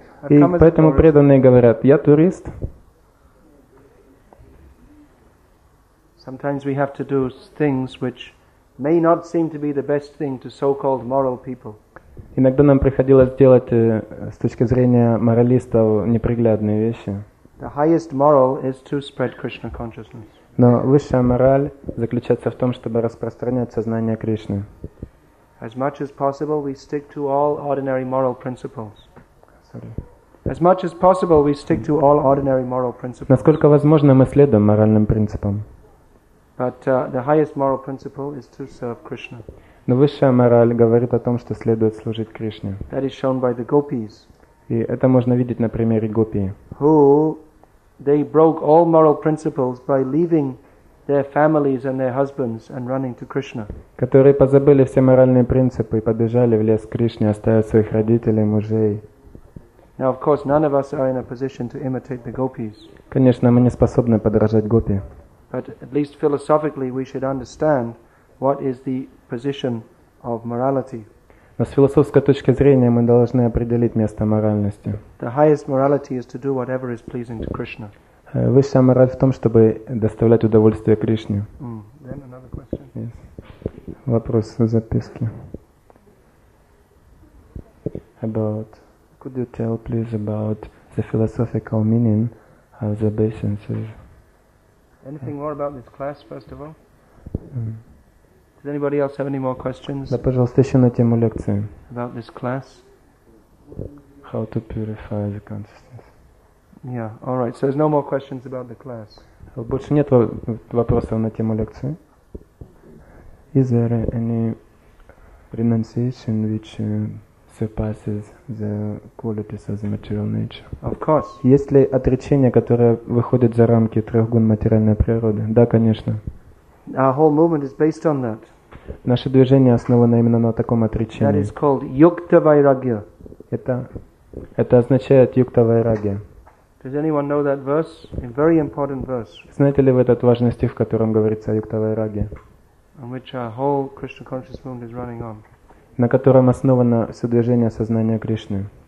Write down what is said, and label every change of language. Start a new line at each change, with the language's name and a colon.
Russian: И поэтому преданные говорят, я турист.
English: Sometimes we have to do things which may not seem to be the best thing to so-called moral people.
Russian: Иногда нам приходилось делать с точки зрения моралистов неприглядные вещи.
English: The highest moral is to spread Krishna consciousness.
Russian: Но высшая мораль заключается в том, чтобы распространять сознание Кришны.
English: As much as possible, we stick to all ordinary moral principles. As much as possible, we stick to all ordinary moral principles.
Russian: Насколько возможно, мы следуем моральным принципам.
English: But the highest moral principle is to serve Krishna.
Russian: Но высшая мораль говорит о том, что следует служить Кришне.
English: That is shown by the gopis.
Russian: И это можно видеть на примере гопи.
English: Who they broke all moral principles by leaving their families and their husbands and running to Krishna.
Russian: Которые позабыли все моральные принципы и побежали в лес к Кришне, оставив своих родителей, мужей.
English: Now, of course, none of us are in a position to imitate the gopis.
Russian: Конечно, мы не способны подражать гопи.
English: But at least philosophically we should understand what is the position of morality.
Russian: Но с философской точки зрения мы должны определить место моральности.
English: The highest morality is to do whatever is pleasing to Krishna.
Russian: Высшая мораль в том, чтобы доставлять удовольствие Кришне.
English: Then another question. Yes.
Russian: Вопрос в записке.
English: About, could you tell please about the philosophical meaning of the obeisances? Anything more about this class, first of all? Does anybody else have any more questions?
Russian: Да, пожалуйста, еще на тему лекции.
English: About this class? How to purify the consciousness. Yeah, all right. So there's no more questions about the class.
Russian: Больше нет вопросов на тему лекции?
English: Is there any renunciation which surpasses the qualities of the material nature? Of course.
Russian: Есть ли отречение, которое выходит за рамки трех гун материальной природы? Да, конечно.
English: Our whole movement is based on that.
Russian: Наше движение основано именно на таком отречении.
English: That is called yukta vairagya.
Russian: Это означает yukta vairagya.
English: Does anyone know that verse? A very important verse.
Russian: Знаете ли вы этот важный стих, в котором говорится о yukta vairagya?
English: On which our whole Krishna consciousness movement is running on.
Russian: На котором основано все движение сознания Кришны.